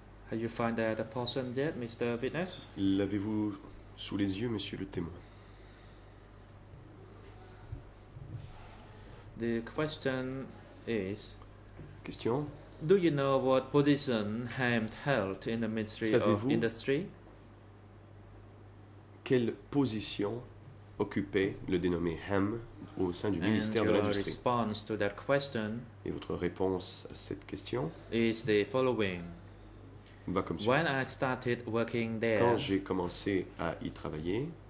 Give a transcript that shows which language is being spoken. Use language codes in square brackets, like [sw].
[en] Have you found that a person yet, Mr. Witness? [fr] L'avez-vous sous les yeux, Monsieur le témoin? [en] The question is. [fr] Question. [en] Do you know what position Hamd held in the Ministry [fr] Savez-vous [en] of Industry? [fr] Quelle position occupait le dénommé Ham au sein du ministère de l'Industrie? [en] And your response to that question. [fr] Et votre réponse à cette question. [en] Is the following. [fr] Va comme [en] when I started working there. [fr] Quand j'ai commencé à y travailler.